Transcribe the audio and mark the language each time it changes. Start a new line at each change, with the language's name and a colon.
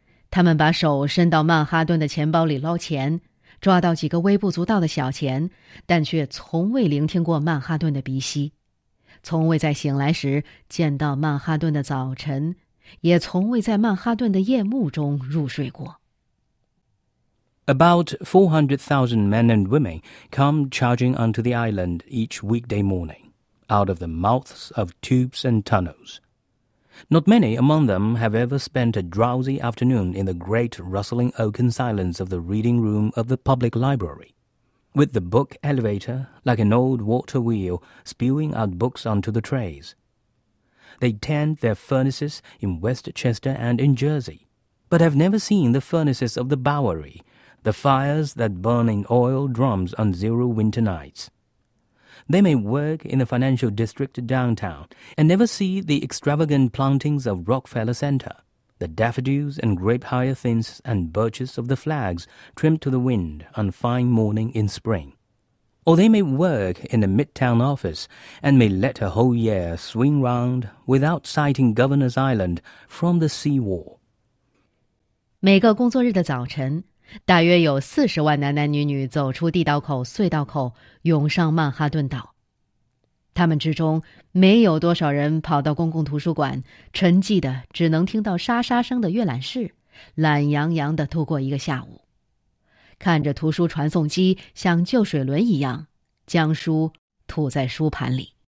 Chinese: 他们把手伸到曼哈顿的钱包里捞钱，抓到几个微不足道的小钱，但却从未聆听过曼哈顿的鼻息，从未在醒来时见到曼哈顿的早晨，也从未在曼哈顿的夜幕中入睡过。
English: About 400,000 men and women come charging onto the island each weekday morning, out of the mouths of tubes and tunnels. Not many among them have ever spent a drowsy afternoon in the great rustling oaken silence of the reading room of the public library, with the book elevator, like an old water wheel, spewing out books onto the trays. They tend their furnaces in Westchester and in Jersey, but have never seen the furnaces of the Bowery,the fires that burn in oil drums on zero winter nights. They may work in the financial district downtown and never see the extravagant plantings of Rockefeller Center, the daffodils and grape hyacinths and birches of the flags trimmed to the wind on fine morning in spring. or they may work in a midtown office and may let a whole year swing round without sighting Governor's Island from the sea wall.
Chinese: 每个工作日的早晨，大约有40万男男女女走出地道口、隧道口，涌上曼哈顿岛。他们之中没有多少人跑到公共图书馆，沉寂的只能听到沙沙声的阅览室，懒洋洋地度过一个下午，看着图书传送机像旧水轮一样将书吐在书盘里。